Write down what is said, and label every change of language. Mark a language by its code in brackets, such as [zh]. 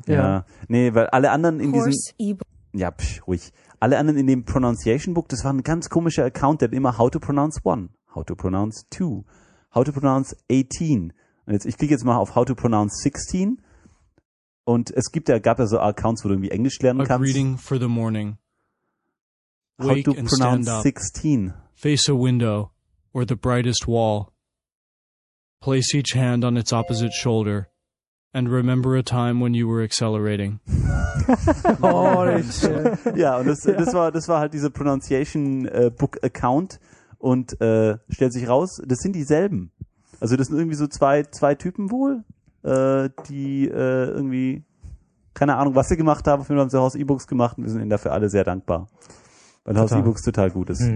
[de] Ja. Nee, weil alle anderen in diesem... Horse e-books. Ja, ruhig. Alle anderen in dem Pronunciation Book, das war ein ganz komischer Account, der hat immer [en] how to pronounce one, how to pronounce two, how to pronounce 18. [de] Und jetzt, ich klicke jetzt mal auf [en] how to pronounce 16. [de] Und es gibt ja, gab ja so Accounts, wo du irgendwie Englisch lernen kannst. [en] A greeting for the morning. Wake how to pronounce 16. Face a window or the brightest wall. Place each hand on its opposite shoulder. And remember a time when you were accelerating. [de] Oh, das ist schön. Ja, und das war halt dieser Pronunciation Book Account und stellt sich raus, das sind dieselben. Also das sind irgendwie so zwei Typen wohl, die irgendwie keine Ahnung, was sie gemacht haben. Auf jeden Fall haben sie Haus E-Books gemacht und wir sind ihnen dafür alle sehr dankbar, weil Haus E-Books total gut ist.